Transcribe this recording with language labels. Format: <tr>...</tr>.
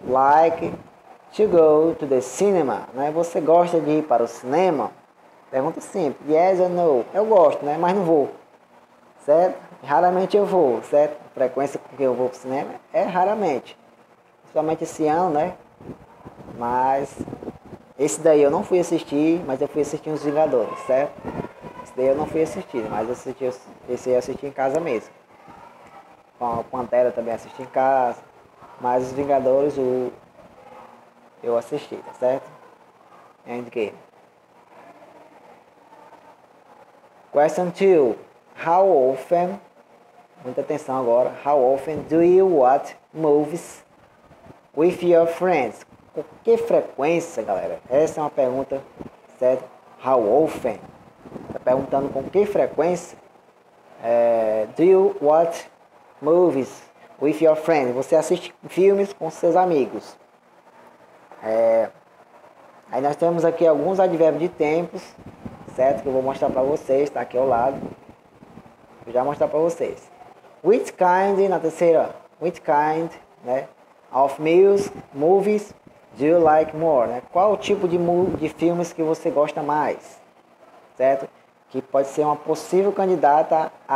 <en>Like to go to the cinema, né?</en> <pt>Você gosta de ir para o cinema? Pergunta sempre.</pt> <en>Yes or no?</en> <pt>Eu gosto, né? Mas não vou. Certo? Raramente eu vou, certo? A frequência com que eu vou para o cinema é raramente. Principalmente esse ano, né? Mas esse daí eu não fui assistir, mas eu fui assistir os Vingadores, certo? Esse daí eu não fui assistir, mas esse eu assisti em casa mesmo. Com a Pantera também assisti em casa. Mas os Vingadores eu assisti, tá certo? Endgame.</pt> <en>Question 2. How often,</en> <pt>muita atenção agora,</pt> <en>how often do you watch movies with your friends?</en> <pt>Com que frequência, galera? Essa é uma pergunta, certo?</pt> <en>How often?</en> <pt>Tá perguntando com que frequência?</pt> <en>Do you watch movies with your friends?</en> <pt>Você assiste filmes com seus amigos. Aí nós temos aqui alguns advérbios de tempos, certo? Que eu vou mostrar para vocês, tá aqui ao lado. Vou já mostrar para vocês.</pt> <en>Which kind,</en> <pt>na terceira,</pt> <en>which kind, né? Of movies do you like more, né?</en> <pt>Qual tipo de filmes que você gosta mais, certo? Que pode ser uma possível candidata</pt>